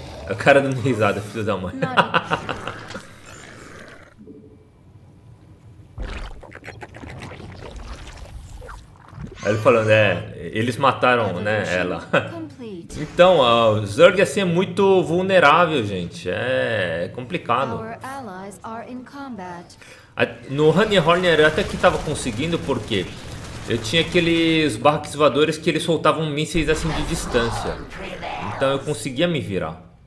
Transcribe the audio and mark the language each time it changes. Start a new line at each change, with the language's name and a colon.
Portuguese: A cara dando risada, filho da mãe. Ele falando, eles mataram, né, ela. Então, o Zerg assim é muito vulnerável, gente. É complicado.
English: Our allies are in combat.
Portuguese: No Honey Horner eu até que tava conseguindo, porque eu tinha aqueles barcos voadores que eles soltavam mísseis assim de distância. Então eu conseguia me virar.